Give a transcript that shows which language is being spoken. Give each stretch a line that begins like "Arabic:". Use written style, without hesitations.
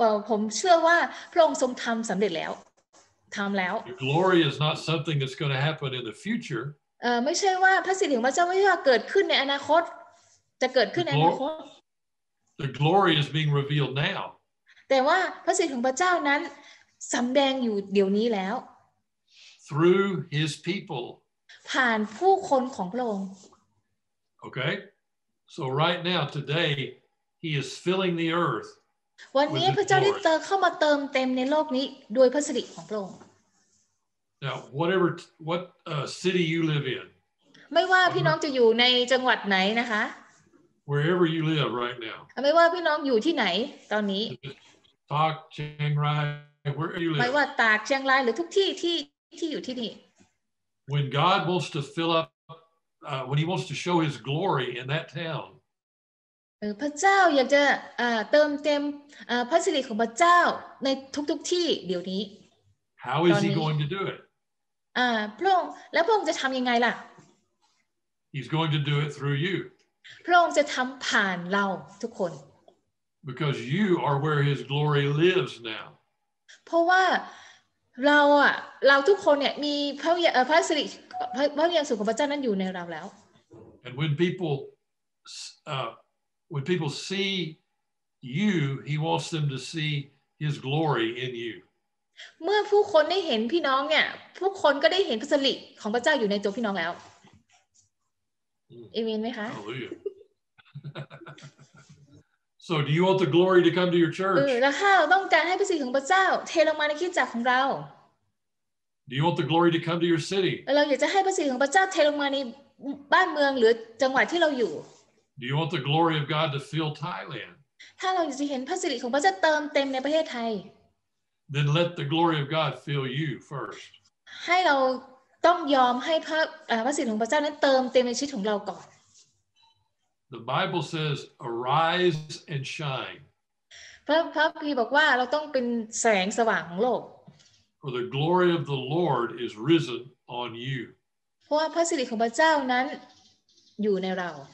Thai: ผมเชื่อว่าพระองค์ทรงทําสําเร็จแล้วทําแล้ว
English: The glory is not something that's going to happen in the future
Thai: ไม่ใช่ว่าพระสิริของพระเจ้าไม่ใช่ว่าเกิดขึ้นในอนาคตจะเกิดขึ้นในอนาคต
English: The glory is being revealed now
Thai: แต่ว่าพระสิริของพระเจ้านั้นสําแดงอยู่เดี๋ยวนี้แล้ว
English: through his people
Thai: ผ่านผู้คนของพระองค์
English: okay so right now todayHe is filling the earth.
Thai: วันนี้พระเจ้าได้เข้ามาเติมเต็มในโลกนี้ด้วยพระสิริของพระองค์
English: Now, what city you live in.
Thai: ไม่ว่าพี่น้องจะอยู่ในจังหวัดไหนนะคะ
English: Wherever you live right now.
Thai: ไม่ว่าพี่น้องอยู่ที่ไหนตอนนี้
English: Tak, Chiang Rai, wherever you live.
Thai: ไม่ว่าตากเชียงรายหรือทุกที่ที่อยู่ที่นี่
English: When God wants to fill up when he wants to show his glory in that town.
Thai: พระเจ้าอยากจะเติมเต็มพระสิริของพระเจ้าในทุกที่เดี๋ยวนี้
English: How is he going to do it?
Thai: พระองค์แล้วพระองค์จะทำยังไงล่ะ
English: He's going to do it through you.
Thai: พระองค์จะทำผ่านเราทุกคน
English: Because you are where his glory lives now.
Thai: เพราะว่าเราทุกคนเนี่ยมีพระสิริพระเยซูของพระเจ้านั้นอยู่ในเราแล้ว
English: And when people When people see you, he wants them to see his glory in you.
Thai: เมื่อผู้คนได้เห็นพี่น้องเนี่ยผู้คนก็ได้เห็นพระสิริของพระเจ้าอยู่ในตัวพี่น้องแล้ว Amen ไหมคะ
English: So do you want the glory to come to your church?
Thai: แล้วถ้าต้องการให้พระสิริของพระเจ้าเทลงมาในคริสตจักรของเรา
English: Do you want the glory to come to your city?
Thai: เราอยากจะให้พระสิริของพระเจ้าเทลงมาในบ้านเมืองหรือจังหวัดที่เราอยู่
English: Do you want the glory of God to fill Thailand?
Thai: ถ้าเราอยากจะเห็นพระสิริของพระเจ้าเติมเต็มในประเทศไทย
English: Then let the glory of God fill you first.
Thai: ให้เราต้องยอมให้พระสิริของพระเจ้านั้นเติมเต็มในชีวิตของเราก่อน
English: The Bible says, "Arise and shine."
Thai: พระคัมภีร์บอกว่าเราต้องเป็นแสงสว่างของโลก
English: For the glory of the Lord is risen on you.
Thai: เพราะว่าพระสิริของพระเจ้านั้นอยู่ในเรา